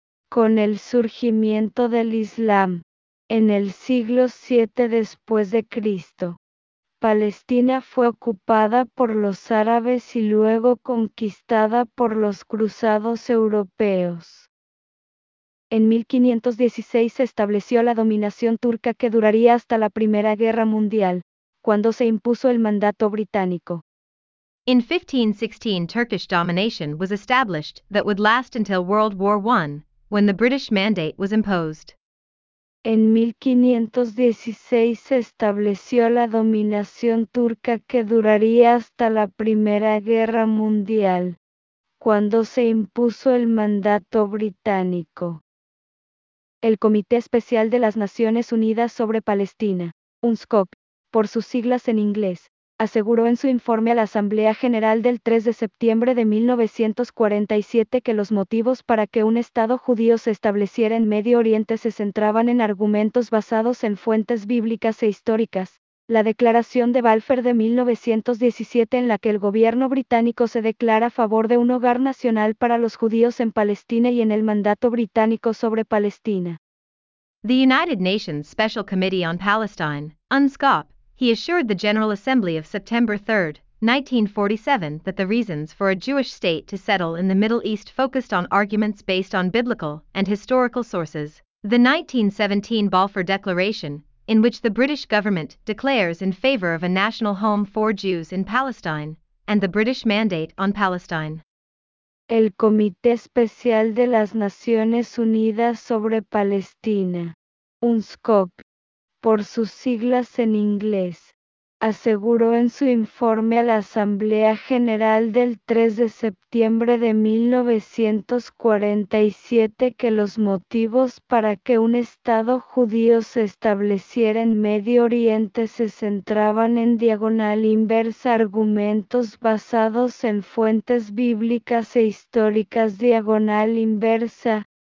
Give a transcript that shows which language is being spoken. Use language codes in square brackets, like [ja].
[es] Con el surgimiento del Islam, en el siglo VII después de Cristo, Palestina fue ocupada por los árabes y luego conquistada por los cruzados europeos. En 1516 se estableció la dominación turca que duraría hasta la Primera Guerra Mundial, cuando se impuso el mandato británico. [en] In 1516, Turkish domination was established that would last until World War I, when the British mandate was imposed. [es] En 1516 se estableció la dominación turca que duraría hasta la Primera Guerra Mundial, cuando se impuso el mandato británico. El Comité Especial de las Naciones Unidas sobre Palestina, UNSCOP, por sus siglas en inglés, aseguró en su informe a la Asamblea General del 3 de septiembre de 1947 que los motivos para que un Estado judío se estableciera en Medio Oriente se centraban en argumentos basados en fuentes bíblicas e históricas, la Declaración de Balfour de 1917 en la que el gobierno británico se declara a favor de un hogar nacional para los judíos en Palestina y en el mandato británico sobre Palestina. [en] The United Nations Special Committee on Palestine, UNSCOP, he assured the General Assembly of September 3, 1947 that the reasons for a Jewish state to settle in the Middle East focused on arguments based on biblical and historical sources. The 1917 Balfour Declaration, in which the British government declares in favor of a national home for Jews in Palestine, and the British Mandate on Palestine. [es] El Comité Especial de las Naciones Unidas sobre Palestina, UNSCOP, por sus siglas en inglés, aseguró en su informe a la Asamblea General del 3 de septiembre de 1947 que los motivos para que un Estado judío se estableciera en Medio Oriente se centraban en diagonal inversa argumentos basados en fuentes bíblicas e históricas diagonal inversa.